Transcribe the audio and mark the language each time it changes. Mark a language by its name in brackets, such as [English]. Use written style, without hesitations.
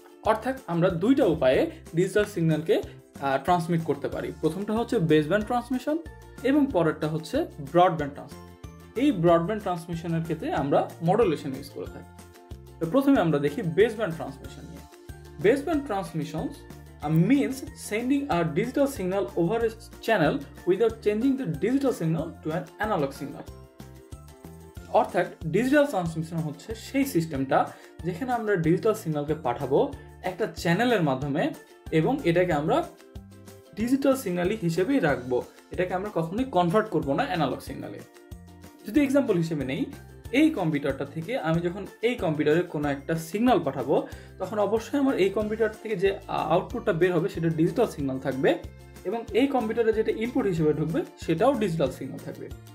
[Bangla] অর্থাৎ আমরা দুইটা উপায়ে ডিজিটাল সিগন্যালকে ট্রান্সমিট করতে পারি। প্রথমটা হচ্ছে বেসব্যান্ড ট্রান্সমিশন এবং পরেরটা হচ্ছে ব্রডব্যান্ড ট্রান্সমিশন। এই ব্রডব্যান্ড ট্রান্সমিশনের ক্ষেত্রে আমরা মডুলেশন ইউজ করে থাকি। তো প্রথমে আমরা দেখি baseband transmission. [English] Baseband transmission means sending a digital signal over a channel without changing the digital signal to an analog signal. [Bangla] অর্থাৎ ডিজিটাল ট্রান্সমিশন হচ্ছে সেই সিস্টেমটা যেখানে আমরা ডিজিটাল সিগন্যালকে পাঠাবো একটা চ্যানেলের মাধ্যমে এবং এটাকে আমরা ডিজিটাল সিগন্যালই হিসেবেই রাখবো, এটাকে আমরা কখনোই কনভার্ট করবো না অ্যানালগ সিগন্যালে। যদি এক্সাম্পল হিসেবে নেই, এই কম্পিউটারটা থেকে আমি যখন এই কম্পিউটারে কোনো একটা সিগন্যাল পাঠাবো তখন অবশ্যই আমার এই কম্পিউটার থেকে যে আউটপুটটা বের হবে সেটা ডিজিটাল সিগন্যাল থাকবে এবং এই কম্পিউটারে যেটা ইনপুট হিসেবে ঢুকবে সেটাও ডিজিটাল সিগন্যাল থাকবে।